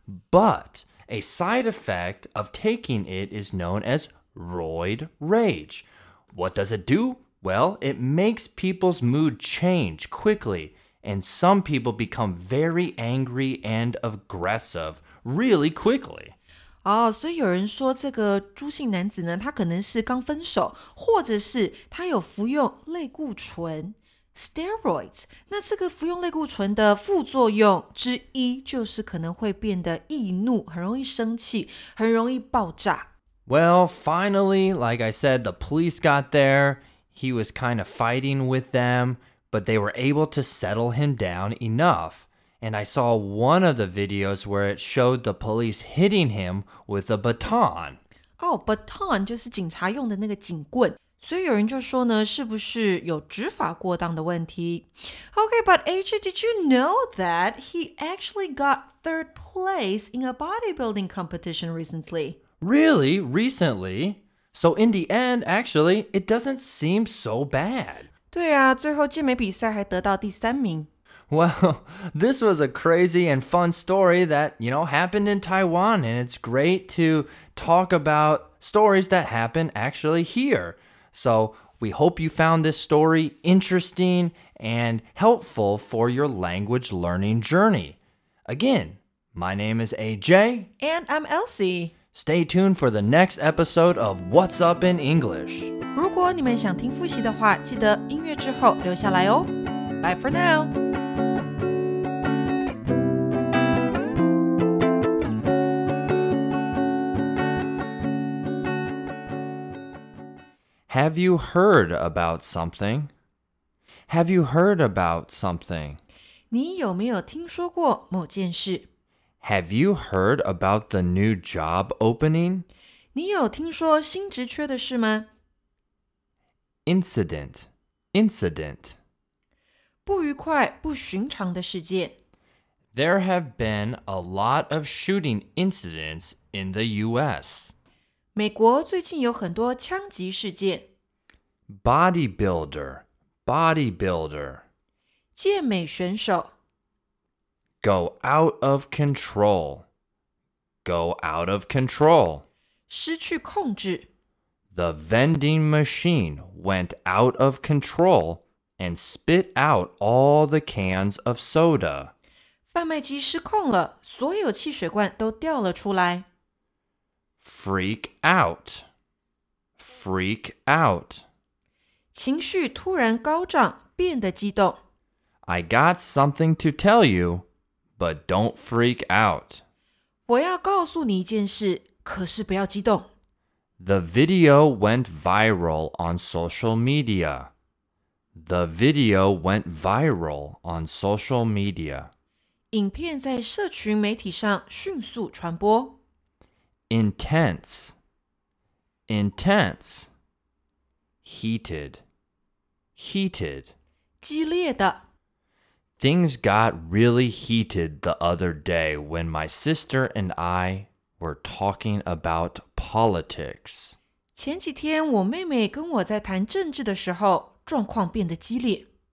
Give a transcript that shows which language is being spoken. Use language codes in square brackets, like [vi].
[en] But a side effect of taking it is known as roid rage. What does it do? Well, it makes people's mood change quickly, and some people become very angry and aggressive really quickly. [zh] Oh, 所以有人说这个朱姓男子呢，他可能是刚分手，或者是他有服用类固醇。 Steroids, 那这个服用类固醇的副作用之一就是可能会变得易怒，很容易生气，很容易爆炸。 [en] Well, finally, like I said, the police got there. He was kind of fighting with them, but they were able to settle him down enough. And I saw one of the videos where it showed the police hitting him with a baton. [zh] Oh, baton 就是警察用的那个警棍。所以有人就说呢，是不是有执法过当的问题 [en] ？Okay, but AJ, did you know that he actually got third place in a bodybuilding competition recently? Really? Recently? So in the end, actually, it doesn't seem so bad. [zh] 对啊，最后健美比赛还得到第三名。 [en] Well, this was a crazy and fun story that, you know, happened in Taiwan, and it's great to talk about stories that happen actually here. So, we hope you found this story interesting and helpful for your language learning journey. Again, my name is AJ. And I'm Elsie. Stay tuned for the next episode of What's Up in English. [zh] 如果你们想听复习的话，记得音乐之后留下来哦。 [en] Bye for now. Have you heard about something? Have you heard about something? [zh] 你有没有听说过某件事? [en] Have you heard about the new job opening? [zh] 你有听说新职缺的事吗? [en] Incident, incident. [zh] 不愉快,不寻常的事件。 [en] There have been a lot of shooting incidents in the U.S. [zh] 美国最近有很多枪击事件。 [en] Bodybuilder, bodybuilder. [zh] 健美选手 [en] Go out of control, go out of control. [zh] 失去控制。 [en] The vending machine went out of control and spit out all the cans of soda. [zh] 贩卖机失控了，所有汽水罐都掉了出来。 [en] Freak out. Freak out. [zh] 情绪突然高涨，变得激动。 [en] I got something to tell you, but don't freak out. [zh] 我要告诉你一件事，可是不要激动。 [en] The video went viral on social media. The video went viral on social media. [zh] 影片在社群媒体上迅速传播。 [en] Intense. Intense. Heated. Heated. [zh] 激烈的。 [en] Things got really heated the other day when my sister and I were talking about politics. [zh] 前几天我妹妹跟我在谈政治的时候，状况变得激烈。